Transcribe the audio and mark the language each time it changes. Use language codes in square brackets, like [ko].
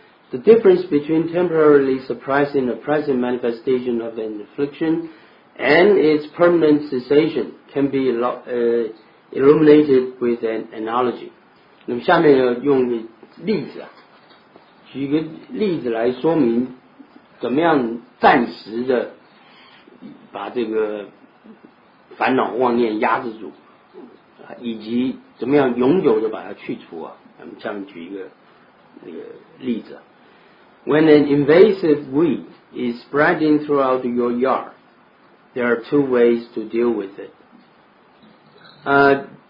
[en] The difference between temporarily suppressing the present manifestation of an affliction and its permanent cessation can be illuminated with an analogy. [zh] 那么下面要用例子啊，举个例子来说明怎么样暂时的把这个烦恼妄念压制住，以及怎么样永久的把它去除啊。那么下面举一个那个例子。 [en] When an invasive weed is spreading throughout your yard, there are two ways to deal with it.